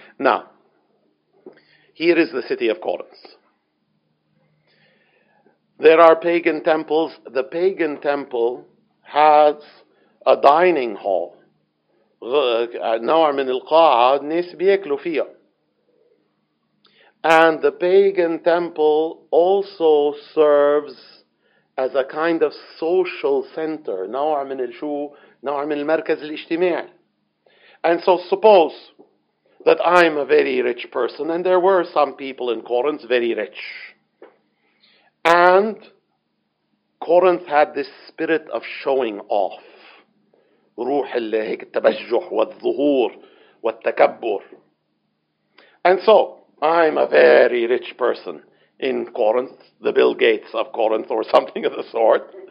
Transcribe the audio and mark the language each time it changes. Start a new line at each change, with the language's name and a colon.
English: Now, here is the city of Corinth. There are pagan temples. The pagan temple has a dining hall.
Arabic: نوع من القاعة الناس بيأكلوا فيها.
English: And the pagan temple also serves as a kind of social center.
Arabic: نوع من الشو, نوع من المركز الاجتماعي.
English: And so suppose that I'm a very rich person, and there were some people in Corinth very rich. And Corinth had this spirit of showing off.
Arabic: روح اللي هيك التبجح والظهور والتكبر.
English: And so, I'm a very rich person in Corinth, the Bill Gates of Corinth or something of the sort.